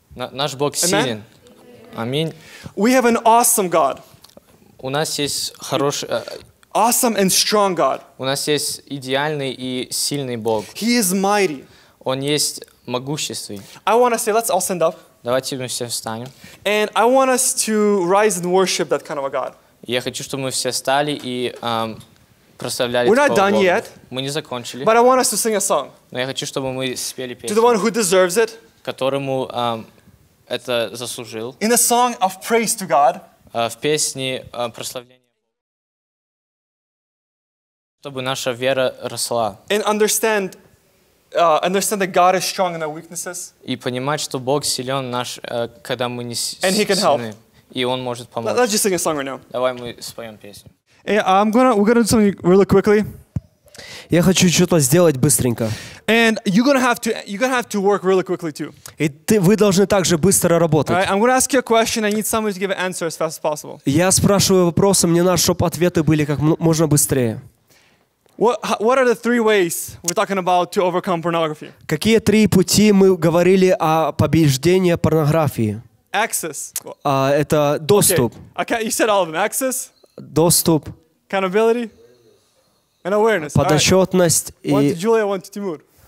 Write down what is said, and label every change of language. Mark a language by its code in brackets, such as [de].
[ru] Наш Бог силен, аминь. [en] We have an awesome God. [ru] У нас есть хороший. [en] Awesome and strong God. [ru] У нас есть идеальный и сильный Бог. [en] He is mighty. [ru] Он есть могущественный. [en] I want to say, let's all stand up. [ru] Давайте мы все встанем. [en] And I want us to rise and worship that kind of a God. [ru] Я хочу, чтобы мы все встали и прославляли. [en] We're not done yet. [ru] Мы не закончили. [en] But I want us to sing a song. [ru] Но я хочу, чтобы мы спели песню. [en] To the one who deserves it. [ru] Которому это заслужил. [en] In a song of praise to God. [ru] В песне прославления. Чтобы наша вера росла. [en] And understand that God is strong in our weaknesses. [ru] И понимать, что Бог силен наш, когда мы не сильны. [en] And He can help. [ru] И Он может помочь. [en] Let's just sing a song right now. [ru] Давай мы споем песню. [en] Yeah, we're gonna do something really quickly. [ru] Я хочу что-то сделать быстренько. [en] And you're gonna have to work really quickly too. [ru] И вы должны также быстро работать. [en] Right, I'm gonna ask you a question. I need somebody to give an answer as fast as possible. [ru] Я спрашиваю вопросы, мне надо, чтобы ответы были как можно быстрее. [en] What are the three ways we're talking about to overcome pornography? [ru] Какие три пути мы говорили о побеждении порнографии? [en] Access. [ru] Это доступ. [en] Okay. You said all of them. Access. [ru] Доступ. [en] Accountability. And awareness. [ru] Подотчетность [en] right. И. One to Julia, one to Timur.